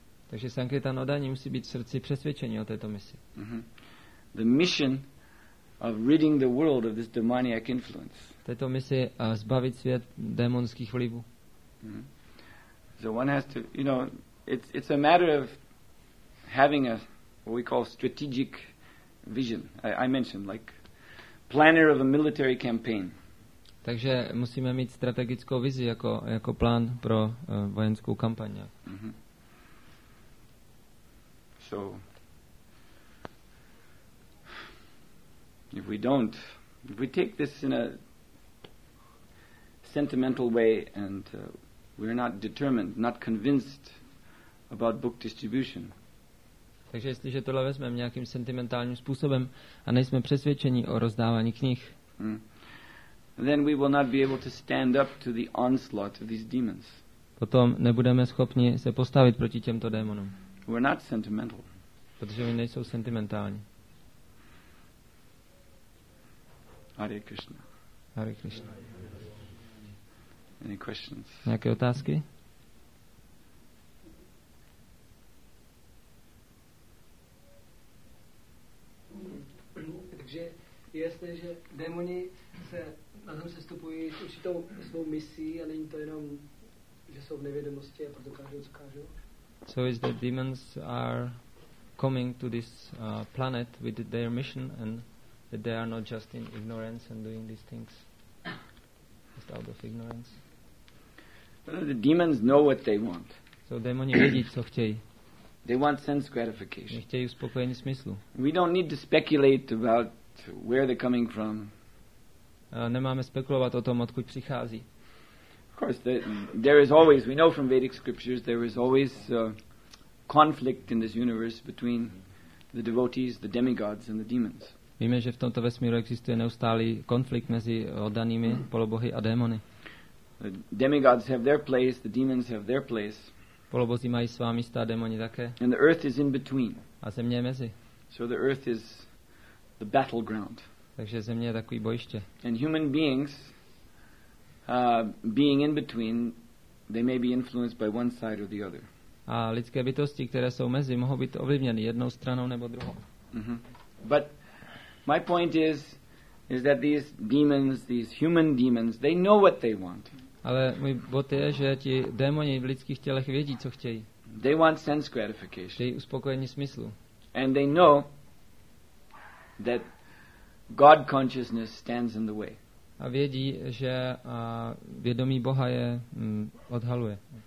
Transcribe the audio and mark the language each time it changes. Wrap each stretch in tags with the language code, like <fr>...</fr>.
<cs>Takže sankirtan odaní musí být v srdci přesvědčení o této misi.</cs> <en>The mission of ridding the world of this demoniac influence.</en> <cs>Této misi zbavit svět démonských vlivů.</cs> <en>So one has to, you know, it's a matter of having a what we call strategic vision. I mentioned like planner of a military campaign.</en> <cs>Takže musíme mít strategickou vizi jako plán pro vojenskou kampaň.</cs> <en>So if we don't, if we take this in a sentimental way and we're not determined, not convinced about book distribution.</en> <cs>Takže jestliže tohle vezmeme nějakým sentimentálním způsobem a nejsme přesvědčeni o rozdávání knih,</cs> <en>then we will not be able to stand up to the onslaught of these demons.</en> <cs>Potom nebudeme schopni se postavit proti těmto démonům.</cs> <en>We're not sentimental.</en> <cs>Protože oni nejsou sentimentální.</cs> <en>Hare Krishna.</en> <cs>Hare Krishna.</cs> <en>Any questions?</en> <cs>Nějaké otázky? Takže je jasné, že démoni se na zem sestupují s určitou svou misí a není to jenom, že jsou v nevědomosti a proto kážou, co kážou?</cs> <en>So is that demons are coming to this planet with their mission and that they are not just in ignorance and doing these things, just out of ignorance. But the demons know what they want.</en> <cs>So démoni vědí, co chtějí.</cs> <en>They want sense gratification.</en> <cs>Chtějí uspokojení smyslu.</cs> <en>We don't need to speculate about where they're coming from.</en> <cs>Nemáme spekulovat o tom, odkud přichází.</cs> <en>Of course, there is always, we know from Vedic scriptures, there is always conflict in this universe between the devotees, the demigods and the demons.</en> <cs>Víme, že v tomto vesmíru existuje neustálý konflikt mezi oddanými polobohy a démony.</cs> <en>The demigods have their place, the demons have their place.</en> <cs>Polobozy mají svá místa, démoni také.</cs> <en>And the earth is in between.</en> <cs>A země je mezi.</cs> <en>So the earth is the battleground.</en> <cs>Takže země je takový bojiště.</cs> <en>And human beings being in between, they may be influenced by one side or the other.</en> <cs>A lidské bytosti, které jsou mezi, mohou být ovlivněny jednou stranou nebo druhou.</cs> <en>But my point is that these demons, these human demons, they know what they want.</en> <cs>Ale můj bod je, že ti démoni v lidských tělech vědí, co chtějí.</cs> <en>They want sense gratification.</en> <cs>Chtějí uspokojení smyslu.</cs> <en>And they know that God consciousness stands in the way.</en> <cs>A vědí, že vědomí Boha je odhaluje.</cs>